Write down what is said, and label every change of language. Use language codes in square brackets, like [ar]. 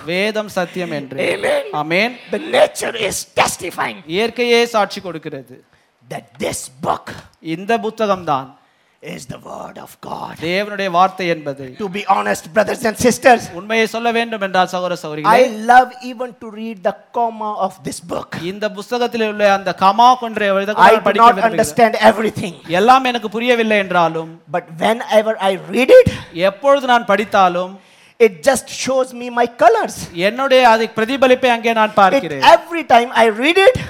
[ta] வேதம் சத்தியம் என்று. [en] Amen. Amen. The nature is testifying. [ta] இயற்கையே சாட்சி கொடுக்கிறது. [en] That this book. [ta] இந்த புத்தகம் தான் [en] is the word of God. [ta] தேவனுடைய வார்த்தை என்பது. [en] To be honest, brothers and sisters, [ta] உண்மையே சொல்ல வேண்டும் என்றால் சகோதர சகோதரிகளே, [en] I love even to read the comma of this book. [ta] இந்த புத்தகத்தில் உள்ள அந்த கமா கொண்ட எழுத கூட படிக்க விரும்புகிறேன். [en] I do not understand everything. [ta] எல்லாம் எனக்கு புரியவில்லை என்றாலும், [en] but whenever I read it, [ta] எப்பொழுது நான் படித்தாலும், [en] it just shows me my colors. [ta] என்னுடைய அதை பிரதிபலிப்பை அங்கே நான் பார்க்கிறேன். [en] Every time I read it,